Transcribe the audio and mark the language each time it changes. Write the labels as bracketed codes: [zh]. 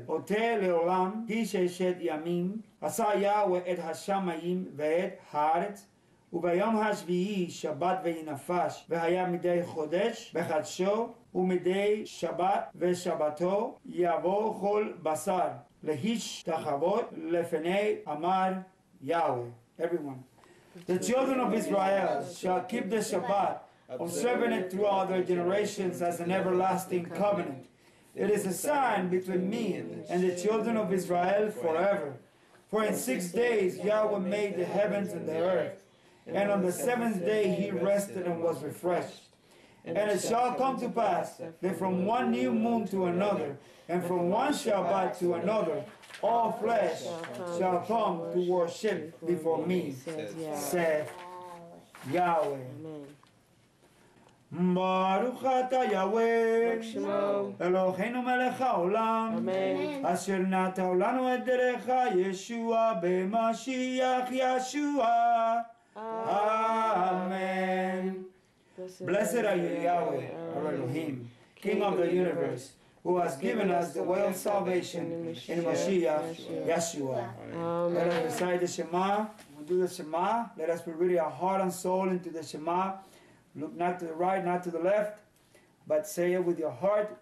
[he] אותה לעולם כי ששת ימים עשה יהוה את השמיים ואת הארץ וביום השביעי שבת וינפש והיה מדי חודש בחדשו ומדי שבת ושבתו יבוא כל בשר להשתחוות לפני אמר יהוה. [en] Everyone. The children of Israel shall keep the Shabbat, observing it throughout their generations as an everlasting covenant. It is a sign between me and the children of Israel forever. For in 6 days Yahweh made the heavens and the earth, and on the seventh day he rested and was refreshed. And it shall come to pass that from one new moon to another, and from one Shabbat to another, All flesh shall come to worship before me, says Yahweh. [he] ברוך אתה יהוה אלוהינו מלך העולם אשר נתת לנו את דרך ישוע במשיח ישוע אמן. [en] Blessed are you, Yahweh, our Elohim, King of the universe, who has given us the way of salvation in Mashiach, Yeshua. Amen. Let us recite the Shema. We'll do the Shema. Let us put really our heart and soul into the Shema. Look not to the right, not to the left, but say it with your heart.